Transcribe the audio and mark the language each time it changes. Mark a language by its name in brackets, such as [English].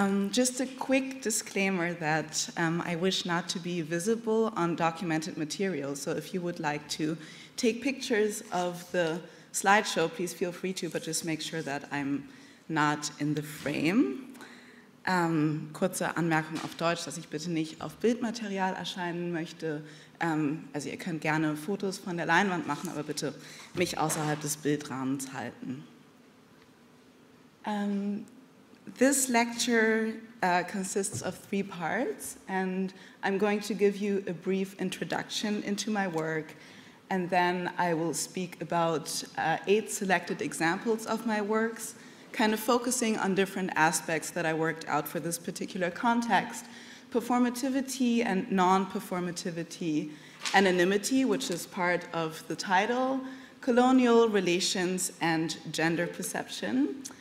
[English] Just a quick disclaimer that I wish not to be visible on documented material, so if you would like to take pictures of the slideshow, please feel free to, but just make sure that I'm not in the frame. [German] Kurze Anmerkung auf Deutsch, dass ich bitte nicht auf Bildmaterial erscheinen möchte. Also ihr könnt gerne Fotos von der Leinwand machen, aber bitte mich außerhalb des Bildrahmens halten. [English] This lecture consists of 3 parts, and I'm going to give you a brief introduction into my work, and then I will speak about 8 selected examples of my works, kind of focusing on different aspects that I worked out for this particular context: performativity and non-performativity, anonymity, which is part of the title, colonial relations and gender perception.